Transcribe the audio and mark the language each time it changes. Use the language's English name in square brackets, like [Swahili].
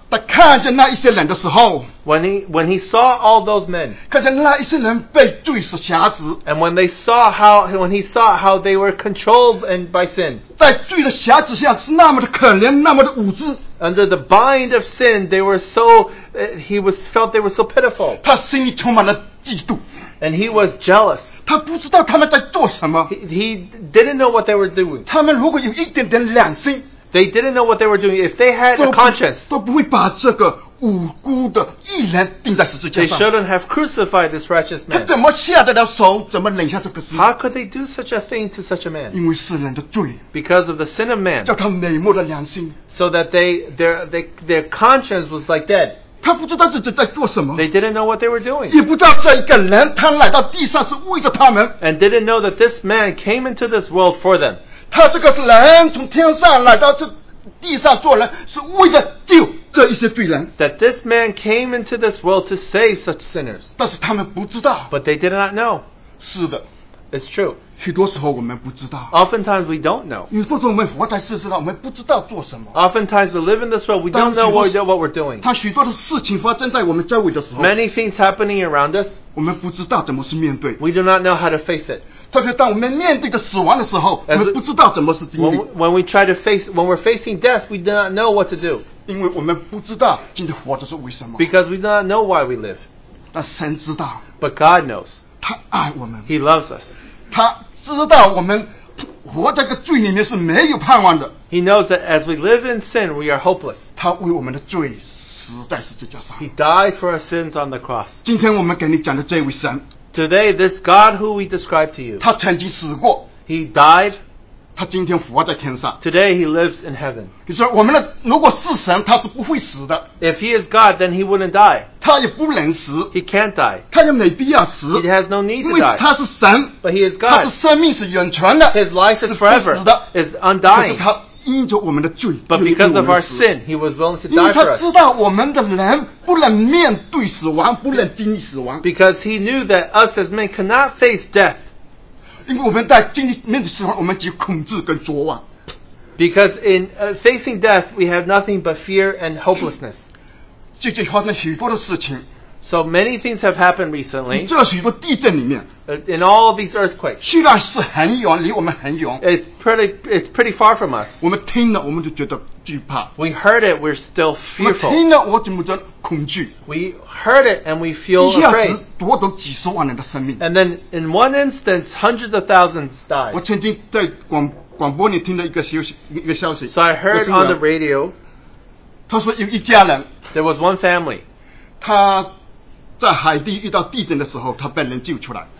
[Chinese] 他看见那一些人的时候, [English] when he saw all those men, [Chinese] 看见那一些人被罪所辖制, [English] and when he saw how they were controlled and by sin, [Chinese] 在罪的辖制下是那么的可怜, 那么的无知, [English] under the bind of sin, they were so he was felt they were so pitiful. [Chinese] 他心里充满了嫉妒, [English] and he was jealous. [Chinese] 他不知道他们在做什么。 [English] He didn't know what they were doing. [Chinese] 他们如果有一点点良心。 [English] They didn't know what they were doing. If they had a conscience, [Chinese] 都不会把这个无辜的义人钉在十字架上。 [English] They shouldn't have crucified this righteous man. [Chinese] 他怎么下得了手，怎么领下这个死？ [English] How could they do such a thing to such a man? [Chinese] 因为世人的罪。 [English] Because of the sin of man. [Chinese] 叫他美目的良心。 [English] So that their conscience was like dead. [Chinese] 他不知道自己在做什么。 [English] They didn't know what they were doing. [Chinese] 也不知道这一个人他来到地上是为着他们。 [English] And didn't know that this man came into this world for them. [Chinese] 他这个人从天上来到这地上做人是为了救这一些罪人。 [English] That this man came into this world to save such sinners. [Chinese] 但是他们不知道。 [English] But they did not know. [Chinese] 是的。 [English] It's true. [Chinese] 许多时候我们不知道。 [English] Oftentimes we don't know. [Chinese] 有时候我们活在世上，我们不知道做什么。 [English] Oftentimes we live in this world, we don't know what we're doing. [Chinese] 他许多的事情发生在我们周围的时候。 [English] Many things happening around us. [Chinese] 我们不知道怎么去面对。 [English] We do not know how to face it. [Chinese] 特别当我们面对着死亡的时候，我们不知道怎么去经历。 [English] When we're facing death, we do not know what to do. [Chinese] 因为我们不知道今天活着是为什么。 [English] Because we do not know why we live. [Chinese] 但神知道。 [English] But God knows. [Chinese] 他爱我们 [English] He loves us. [Chinese] 他知道我们活在个罪里面是没有盼望的 [English] He knows that as we live in sin, we are hopeless. [Chinese] 他为我们的罪死在十字架上 [English] He died for our sins on the cross. [Chinese] 今天我们给你讲的这位神 [English] Today, this God who we describe to you, [Chinese] 他曾经死过 [English] He died. [Chinese] 他今天活在天上 [English] Today, he lives in heaven. [Chinese] 你说我们的如果是神他是不会死的 [English] If he is God, then he wouldn't die. [Chinese] 他也不能死 [English] He can't die. [Chinese] 他也没必要死 [English] He has no need to die. [Chinese] 因为他是神 [English] But he is God. [Chinese] 他的生命是永存的 [English] His life is forever. Is undying. [Chinese] 可是他因着我们的罪 [English] But because of our sin, he was willing to die for us. [Chinese] 因为他知道我们的人不能面对死亡不能经历死亡 [English] Because he knew that us as men cannot face death. [Chinese] 因为我们在经历面对死亡我们只有恐惧跟绝望 [English] Because in facing death, we have nothing but fear and hopelessness. So many things have happened recently. In all of these earthquakes. [Chinese] 虽然是很远，离我们很远。 [English] It's pretty far from us. [Chinese] 我们听了，我们就觉得惧怕。 [English] We heard it, we're still fearful. [Chinese] 我们听了，我怎么觉得恐惧。 [English] We heard it and we feel afraid. [Chinese] 一下子夺走几十万人的生命。 [English] And then in one instance, hundreds of thousands died. [Chinese] 我曾经在广播里听到一个消息。 [English] So I heard on the radio. [Chinese] 他说有一家人 [English] There was one family. [Chinese] 他在海地遇到地震的时候他被人救出来